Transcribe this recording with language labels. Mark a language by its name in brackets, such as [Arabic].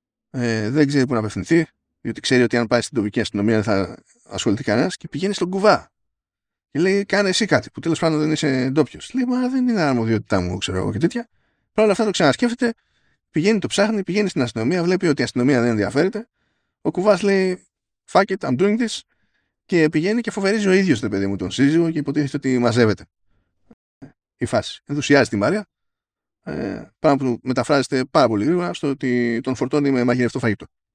[Greek] Δεν ξέρει πού να απευθυνθεί, διότι ξέρει ότι αν πάει στην τοπική αστυνομία δεν θα ασχοληθεί κανένας και πηγαίνει στον Κουβά. Και λέει, κάνε εσύ κάτι που τέλος πάντων δεν είσαι ντόπιος. Λέει, μα δεν είναι αρμοδιότητά μου, ξέρω εγώ και τέτοια. Παρ' όλα αυτά το ξανασκέφτεται, πηγαίνει, το ψάχνει, πηγαίνει στην αστυνομία, βλέπει ότι η αστυνομία δεν ενδιαφέρεται. Ο Κουβάς λέει, [English] fuck it, I'm doing this. [Greek] Και πηγαίνει και φοβερίζει ο ίδιος το παιδί μου τον σύζυγο και υποτίθεται ότι μαζεύεται η φάση. Ενθουσιάζει τη Μαρία. Πράγμα που μεταφράζεται πάρα πολύ γρήγορα στο ότι τον φορτώνει με μαγειρευτό φαγητό.